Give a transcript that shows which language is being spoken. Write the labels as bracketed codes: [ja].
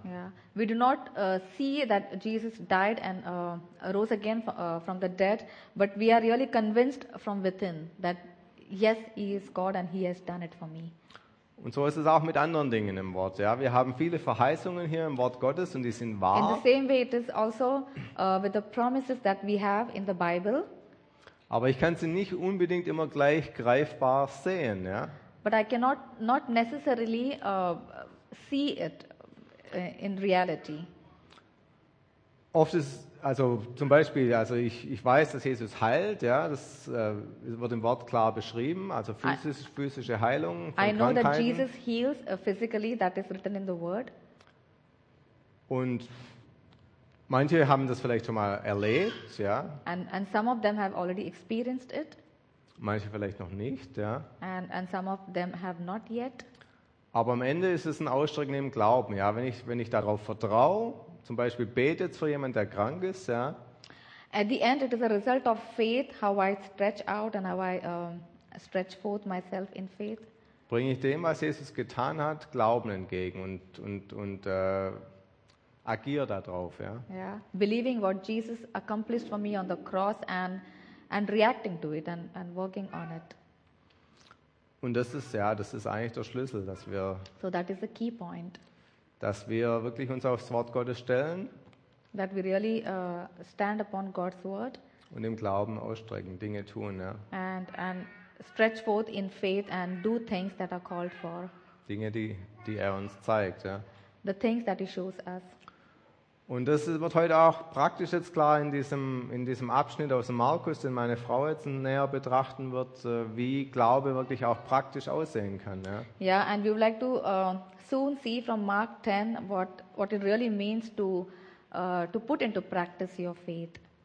[en] Yeah. We do not see that Jesus died and rose again from the dead, but we are really convinced from within that yes, he is God and he has done it for me. [de] Und so ist es auch mit anderen Dingen im Wort. Ja, wir haben viele Verheißungen hier im Wort Gottes und die sind wahr. [en] In the same way it is also with the promises that we have in the Bible. [de] Aber ich kann sie nicht unbedingt immer gleich greifbar sehen, ja. [en] But I cannot not necessarily see it in reality. [de] Oft ist, also zum Beispiel, also ich weiß, dass Jesus heilt, ja, das wird im Wort klar beschrieben, also physische Heilung von Krankheiten. [en] I know that Jesus heals physically, that is written in the word. [de] Und manche haben das vielleicht schon mal erlebt, ja. [en] And some of them have already experienced it. [de] Manche vielleicht noch nicht, ja. [en] And some of them have not yet. [de] Aber am Ende ist es ein Ausdruck neben Glauben, ja, wenn ich darauf vertraue. Zum Beispiel betet für jemanden, der krank ist, ja. [en] At the end, it is a result of faith, how I stretch out and how I stretch forth myself in faith. [de] Bringe ich dem, was Jesus getan hat, Glauben entgegen und agiere darauf, ja. Yeah. [en] Believing what Jesus accomplished for me on the cross and reacting to it and working on it. [de] Und das ist, ja, das ist eigentlich der Schlüssel, dass wir... [en] So that is the key point. [de] Dass wir wirklich uns aufs Wort Gottes stellen. [en] That we really stand upon God's word. [de] Und im Glauben ausstrecken, Dinge tun, ja. [en] And stretch forth in faith and do things that are called for. [de] Dinge, die er uns zeigt. Ja. [en] The things that he shows us. [de] Und das wird heute auch praktisch jetzt klar in diesem Abschnitt aus dem Markus, den meine Frau jetzt näher betrachten wird, wie Glaube wirklich auch praktisch aussehen kann. Ja, [en] yeah, and we would like to soon see from Mark 10 what it really means to put into practice your faith.